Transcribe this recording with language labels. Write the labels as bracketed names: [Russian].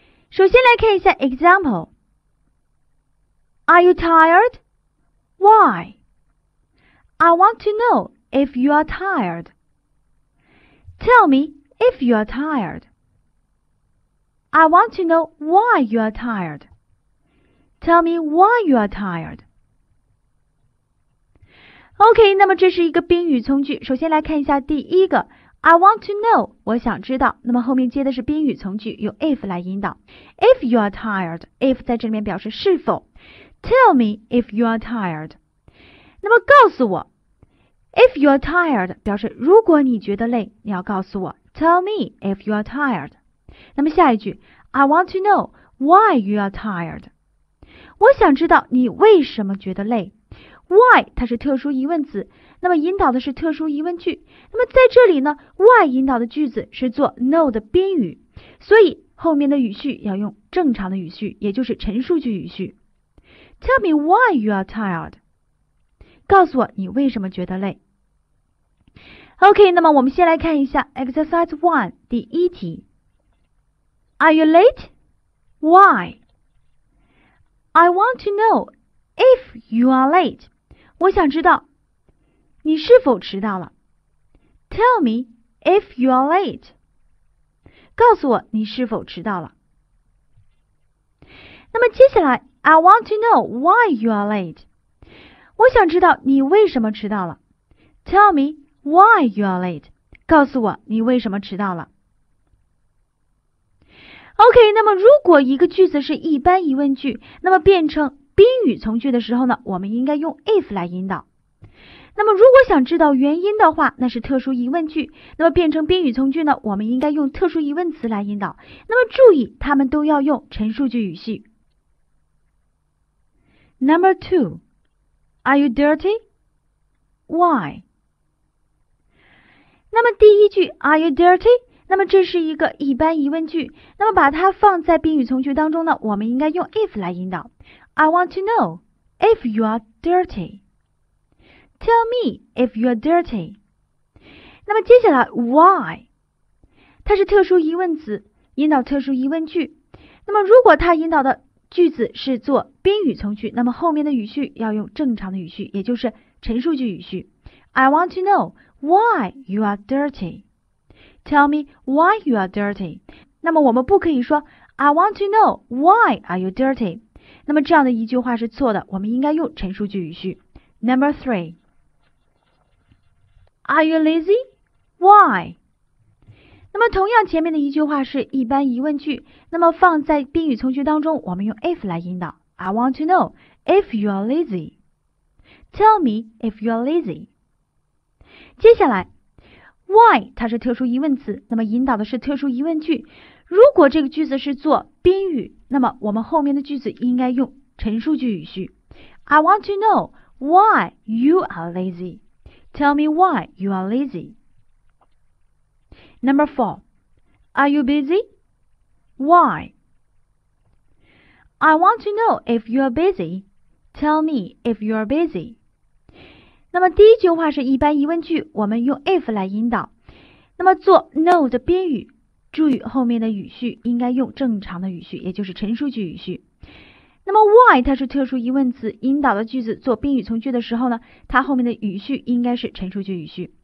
[Chinese] 首先来看一下 [English] Example. Are you tired? Why? I want to knowIf you are tired, tell me if you are tired. I want to know why you are tired. Tell me why you are tired. [Chinese] OK, 那么这是一个宾语从句。首先来看一下第一个 [English] I want to know, [Chinese] 我想知道。那么后面接的是宾语从句，用 if 来引导。 [English] If you are tired, if [Chinese] 在这里面表示是否。 [English] Tell me if you are tired. [Chinese] 那么告诉我。 [English] If you are tired, [Chinese] 表示如果你觉得累，你要告诉我。 [English] Tell me if you are tired. [Chinese] 那么下一句 [English] I want to know why you are tired. [Chinese] 我想知道你为什么觉得累。Why, 它是特殊疑问词，那么引导的是特殊疑问句。那么在这里呢 why 引导的句子是做 no 的宾语，所以后面的语序要用正常的语序，也就是陈述句语序。 [English] Tell me why you are tired. [Chinese] 告诉我你为什么觉得累。 OK, 那么我们先来看一下 Exercise 1, 第一题。 [English] Are you late? Why? I want to know if you are late. [Chinese] 我想知道你是否迟到了。 [English] Tell me if you are late. [Chinese] 告诉我你是否迟到了。那么接下来 [English] I want to know why you are late. [Chinese] 我想知道你为什么迟到了。 [English] Tell me why you are late. [Chinese] 告诉我你为什么迟到了。 OK, 那么如果一个句子是一般疑问句，那么变成宾语从句的时候呢，我们应该用 if 来引导。那么如果想知道原因的话，那是特殊疑问句，那么变成宾语从句呢，我们应该用特殊疑问词来引导。那么注意，他们都要用陈述句语序。 [English] Number 2. Are you dirty? Why? [Chinese] 那么第一句 [English] Are you dirty? [Chinese] 那么这是一个一般疑问句，那么把它放在宾语从句当中呢，我们应该用 if 来引导。 [English] I want to know if you are dirty. Tell me if you are dirty. [Chinese] 那么接下来 why? 它是特殊疑问词，引导特殊疑问句。那么如果它引导的句子是做宾语从句，那么后面的语序要用正常的语序，也就是陈述句语序。 [English] I want to know why you are dirty. Tell me why you are dirty. [Chinese] 那么我们不可以说 [English] I want to know why are you dirty. [Chinese] 那么这样的一句话是错的，我们应该用陈述句语序。 [English] Number 3. Are you lazy? Why? [Chinese] 那么同样前面的一句话是一般疑问句，那么放在宾语从句当中，我们用 if 来引导。 [English] I want to know if you are lazy. Tell me if you are lazy. [Chinese] 接下来 why 它是特殊疑问词，那么引导的是特殊疑问句。如果这个句子是做宾语，那么我们后面的句子应该用陈述句语序。 [English] I want to know why you are lazy. Tell me why you are lazy. Number 4. Are you busy? Why? I want to know if you are busy. Tell me if you are busy. [Chinese] 那么第一句话是一般疑问句，我们用 if 来引导。那么做 know 的宾语，注意后面的语序应该用正常的语序，也就是陈述句语序。那么 why 它是特殊疑问词，引导的句子做宾语从句的时候呢，它后面的语序应该是陈述句语序。